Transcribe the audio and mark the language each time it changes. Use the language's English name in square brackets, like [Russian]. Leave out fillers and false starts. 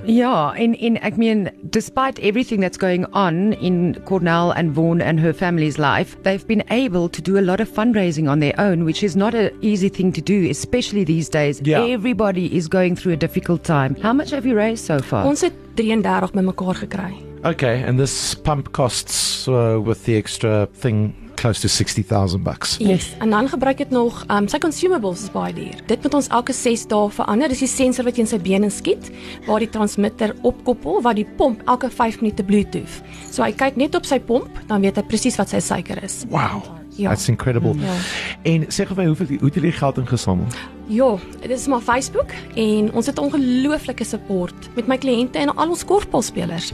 [Afrikaans] Ja, en ek meen, [English] despite everything that's going on in Cornell and Vaughan and her family's life, they've been able to do a lot of fundraising on their own, which is not an easy thing to do, especially these days. [Afrikaans] Ja. [English] Everybody is going through a difficult time. How much have you raised so far? [Afrikaans] Ons het 33 met mekaar gekry. [English] Okay, and this pump costs with the extra thing close to 60,000 bucks. Yes, and [Afrikaans] dan gebruik het nog, sy consumables is baie duur. Dit moet ons elke 6 dae verander. Dis die sensor wat jy in sy bene skiet, waar die transmitter opkoppel, waar die pomp elke 5 minute Bluetooth. So hy kyk net op sy pomp, dan weet hy precies wat sy suiker is. [English] Wow, ja. That's incredible. [Afrikaans] Ja. En sê gou vir my, hoe het jy geld ingesamel? Ja, dit is maar Facebook, en ons het ongelooflike support met my kliënte en al ons korfbalspelers.